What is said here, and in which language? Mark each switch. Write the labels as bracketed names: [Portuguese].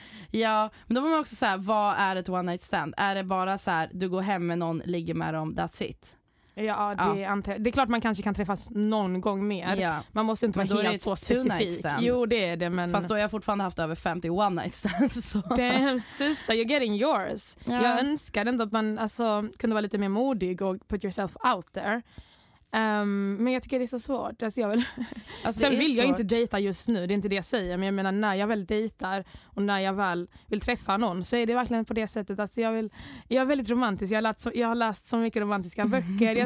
[Swedish] Ja, men då var man också så här, vad är ett one night stand? Är det bara så här, du går hem med någon, ligger med dem, [English] that's it? [Swedish] Ja, det, ja. Det är klart man kanske kan träffas någon gång mer. Ja. Man måste inte vara helt så specifik. Jo, det är det. Men... Fast då har jag fortfarande haft över 50 one night stands. Så. [English] Damn, sister, you're getting yours. [Swedish] Ja. Jag önskar ändå att man alltså, kunde vara lite mer modig och [English] put yourself out there. [Swedish] Men jag tycker det är så svårt. Alltså, jag vill... alltså, sen vill jag inte dejta just nu, det är inte det jag säger. Men jag menar, när jag väl dejtar och när jag väl vill träffa någon så är det verkligen på det sättet. Alltså, jag är väldigt romantisk, jag har läst så mycket romantiska böcker.